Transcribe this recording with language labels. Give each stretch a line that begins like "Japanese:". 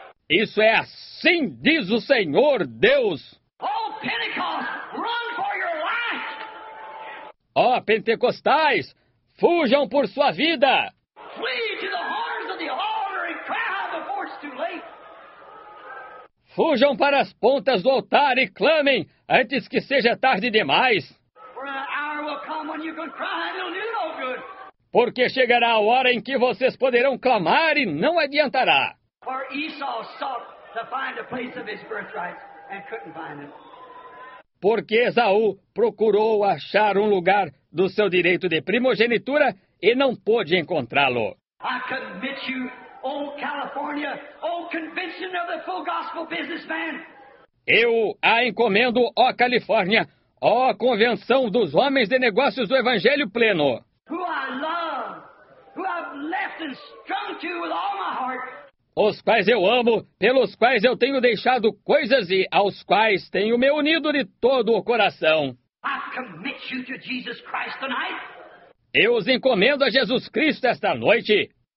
Portuguese: Isso é assim, diz o Senhor Deus.
English: Oh, Pentecost, run for your life.
Portuguese: Oh, pentecostais, fujam por sua vida.
English: Flee to the horns of the altar and cry out before it's too late.
Portuguese: Fujam para as pontas do altar e clamem antes que seja tarde demais.
English: For an hour will come when you can cry and it'll do no good.
Portuguese: Porque chegará a hora em que vocês poderão clamar e não adiantará.
English: For Esau sought to find a place of his birthright and couldn't find it.
Portuguese: Porque Esaú procurou achar um lugar do seu direito de primogenitura e não pôde encontrá-lo.
English: I commit you, oh California, oh convention of the full gospel businessman.
Portuguese: Eu a encomendo, oh Califórnia, oh convenção dos homens de negócios do evangelho pleno.
English: Who I love, who I've left and strung to with all my heart.
Portuguese: Os quais eu amo, pelos quais eu tenho deixado coisas e aos quais tenho me unido de todo o coração.
English: I commit you to Jesus Christ tonight.
Portuguese: Eu os encomendo a Jesus Cristo esta noite.